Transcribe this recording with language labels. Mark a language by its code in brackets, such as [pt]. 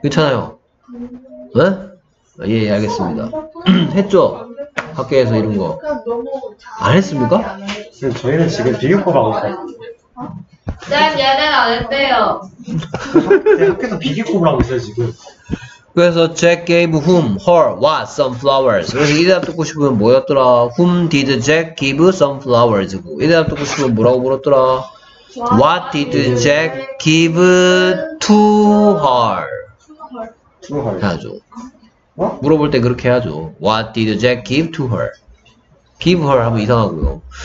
[ko] 괜찮아요. 네? 예, 예, 알겠습니다. 했죠? 학교에서 이런 거. 안 했습니까? 저희는 지금 비교법 하고 있어요. 쌤, 얘는 안 했대요. 학교에서 비교법을 하고 있어요, 지금. 그래서 [en] Jack gave whom, her, what, some flowers. [ko] 그래서 이 대답 듣고 싶으면 뭐였더라? [en] Whom did Jack give some flowers? [ko] 이 대답 듣고 싶으면 뭐라고 물었더라? [en] What did Jack give to her? [ko] 해야죠. 물어볼 때 그렇게 해야죠. [en] What did Jack give to her? Give her [ko] 하면 이상하고요.